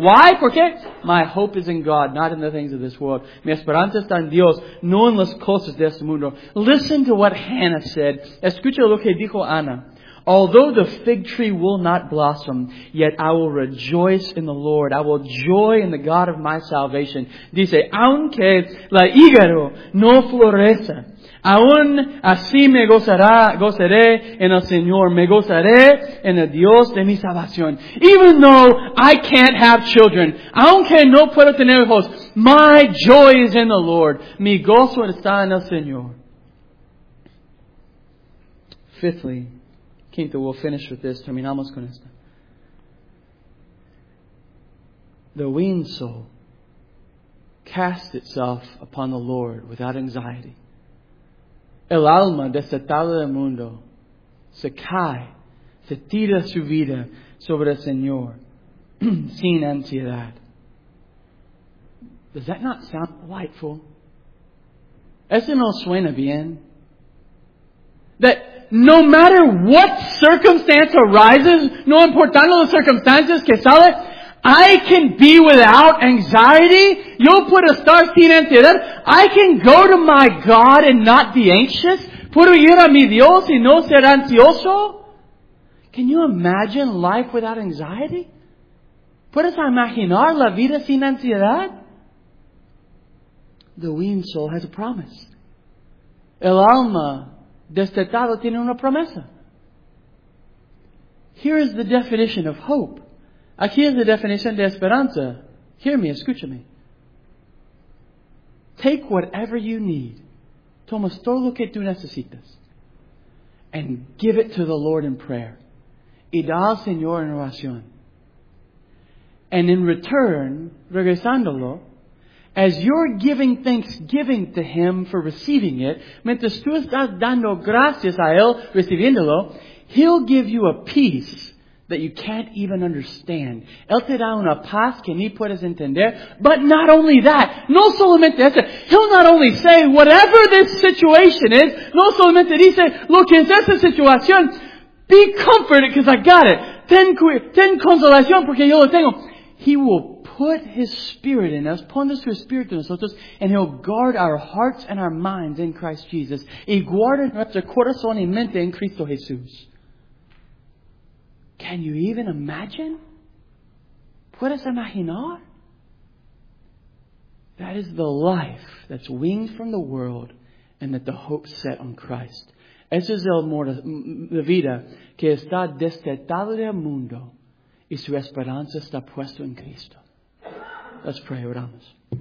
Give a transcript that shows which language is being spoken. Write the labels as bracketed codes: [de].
[en] Why? [es] ¿Por qué? [en] My hope is in God, not in the things of this world. [es] Mi esperanza está en Dios, no en las cosas de este mundo. [en] Listen to what Hannah said. [es] Escucha lo que dijo Ana. [en] Although the fig tree will not blossom, yet I will rejoice in the Lord. I will joy in the God of my salvation. [es] Dice, aunque la higuera no florezca, aún así me gozaré en el Señor. Me gozaré en el Dios de mi salvación. [en] Even though I can't have children, [es] aunque no puedo tener hijos, [en] my joy is in the Lord. [es] Mi gozo está en el Señor. [en] Fifthly, [es] quinto, [en] we'll finish with this. [es] Terminamos con esto. [en] The weaned soul casts itself upon the Lord without anxiety. [es] El alma desatada del mundo se cae, se tira su vida sobre el Señor sin ansiedad. [en] Does that not sound delightful? [es] ¿Eso no suena bien? [en] That no matter what circumstance arises, [es] no importando las circunstancias que sale, [en] I can be without anxiety. [es] Yo puedo estar sin ansiedad. [en] I can go to my God and not be anxious. [es] Puedo ir a mi Dios y no ser ansioso. [en] Can you imagine life without anxiety? [es] ¿Puedes imaginar la vida sin ansiedad? [en] The weaned soul has a promise. [es] El alma destetado tiene una promesa. [en] Here is the definition of hope. [es] Aquí es la definición de esperanza. [en] Hear me, [es] escúchame. Take whatever you need. Tomas todo lo que tú necesitas. [en] And give it to the Lord in prayer. [es] Y da al Señor en oración. [en] And in return, [es] regresándolo, [en] as you're giving thanksgiving to Him for receiving it, [es] mientras tú estás dando gracias a Él recibiéndolo, [en] He'll give you a peace that you can't even understand. [es] Él te da una paz que ni puedes entender. [en] But not only that, [es] no solamente eso, [en] He'll not only say whatever this situation is, [es] no solamente dice lo que es esa situación, [en] be comforted because I got it. [es] Ten consolación porque yo lo tengo. [en] He will put His Spirit in us, [es] pondrá su Espíritu en nosotros, [en] and He'll guard our hearts and our minds in Christ Jesus. [es] Y guarda nuestro corazón y mente en Cristo Jesús. [en] Can you even imagine? ¿Puedes imaginar? That is the life that's winged from the world and that the hope set on Christ. [es] Esa es la vida que está destetada del mundo y su esperanza está puesta en Cristo. [en] Let's pray, [es] oramos.